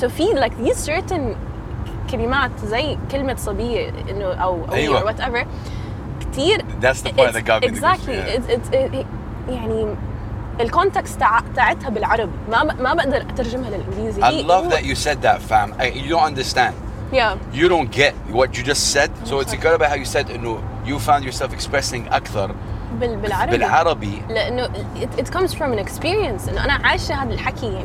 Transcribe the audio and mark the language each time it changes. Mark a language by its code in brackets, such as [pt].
[ar] So في [en] like these certain [ar] كلمات زي كلمة صبية إنه أو أيوة. [en] or whatever كتير. That's the point that got me. Exactly. [ar] يعني ال context تاعتها بالعربي ما بقدر أترجمها للإنجليزي. [en] I love that you said that, fam. You don't understand. Yeah. You don't get what you just said. So it's incredible how you said إنه you found yourself expressing أكثر [ar] بالعربي لأنه [en] it comes from an experience إنه [ar] أنا عايشة هذا الحكي.